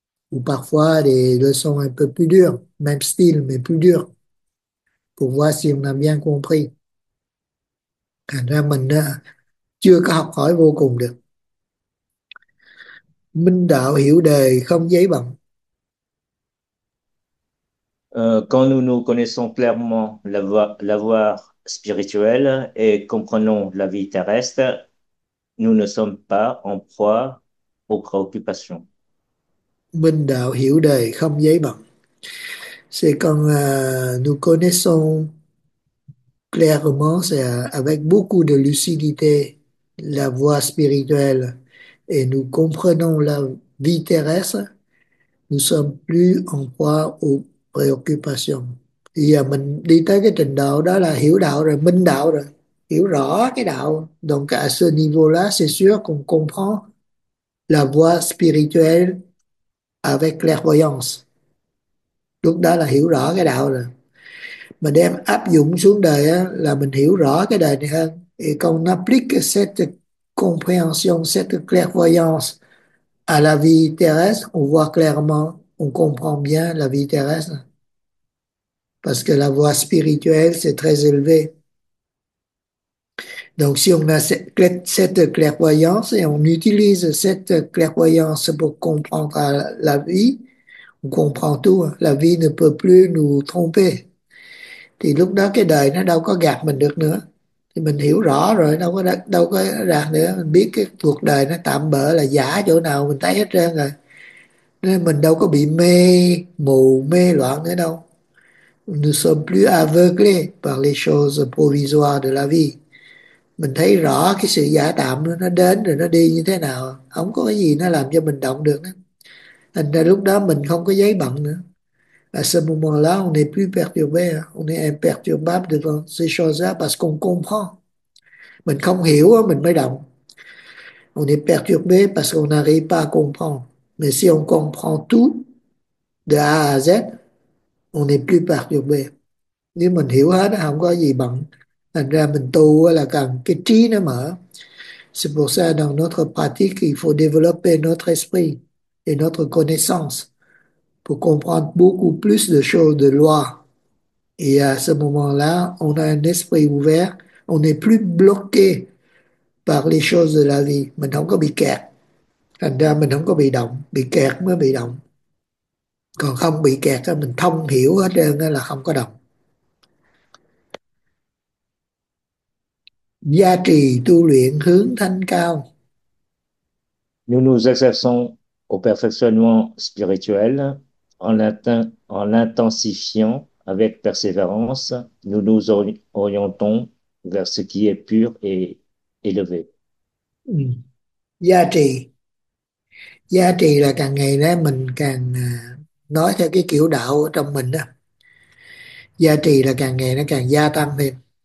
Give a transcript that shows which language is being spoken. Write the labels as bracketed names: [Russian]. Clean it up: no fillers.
[French] Ou parfois des leçons un peu plus dures, même style mais plus dur, pour voir si on a bien compris. [Vietnamese] Thành ra mình chưa có học hỏi vô cùng được. Minh đạo hiểu đời không giấy bằng. [French] Quand nous nous connaissons clairement la voie spirituelle et comprenons la vie terrestre, nous ne sommes pas en proie aux préoccupations. [Vietnamese] Minh đạo hiểu đời không giấy bằng. [French] C'est quand nous connaissons clairement, c'est avec beaucoup de lucidité, la voie spirituelle et nous comprenons la vie terrestre, nous sommes plus en proie aux préoccupations. [Vietnamese] Bây giờ mình đi tới cái trình độ đó là hiểu đạo rồi, minh đạo rồi, hiểu rõ cái đạo. [French] Donc à ce niveau-là, c'est sûr qu'on comprend la voie spirituelle avec clairvoyance. [Vietnamese] Lúc đó là hiểu rõ cái đạo rồi. Mà đem áp dụng xuống đời á, là mình hiểu rõ cái đời này hơn. [French] Et quand on applique cette compréhension, cette clairvoyance à la vie terrestre, on voit clairement, on comprend bien la vie terrestre. Parce que la voie spirituelle, c'est très élevé. Donc, si on a cette clairvoyance et on utilise cette clairvoyance pour comprendre la vie, on comprend tout. La vie ne peut plus nous tromper. [Vietnamese] Thì lúc đó cái đời nó đâu có gạt mình được nữa. thì mình hiểu rõ rồi, đâu có rằng nữa, mình biết cái cuộc đời nó tạm bợ là giả chỗ nào mình thấy hết trơn rồi, nên mình đâu có bị mê mù mê loạn nữa đâu. [French] Nous sommes plus aveuglés par les choses provisoires de la vie. [Vietnamese] Mình thấy rõ cái sự giả tạm nó đến rồi nó đi như thế nào, không có cái gì nó làm cho mình động được nữa. Thành ra lúc đó mình không có giấy bận nữa. [French] À ce moment-là, on n'est plus perturbé, on est imperturbable devant ces choses-là parce qu'on comprend. [Vietnamese] Mình không hiểu đó, mình mới động. [French] On est perturbé parce qu'on n'arrive pas à comprendre. Mais si on comprend tout, de A à Z, on n'est plus perturbé. [Vietnamese] Nếu mình hiểu hết, không có gì bận. Thành ra mình tu là cần cái trí nó mở. [French] C'est pour ça, dans notre pratique, il faut développer notre esprit et notre connaissance pour comprendre beaucoup plus de choses, de lois. Et à ce moment-là, on a un esprit ouvert, on n'est plus bloqué par les choses de la vie. [Vietnamese] Mình không có bị kẹt. Thành ra mình không có bị động, bị kẹt mới bị động. Còn không bị kẹt thì mình thông hiểu hết trơn là không có động. Gia trì tu luyện hướng thanh cao. [French] Nous nous exerçons au perfectionnement spirituel en intensifiant avec persévérance. Nous nous orientons vers ce qui est pur et élevé. [Vietnamese] Gia trì là càng ngày đó mình càng nói theo cái kiểu đạo ở trong mình đó. Gia trì là càng ngày nó càng gia tăng thêm.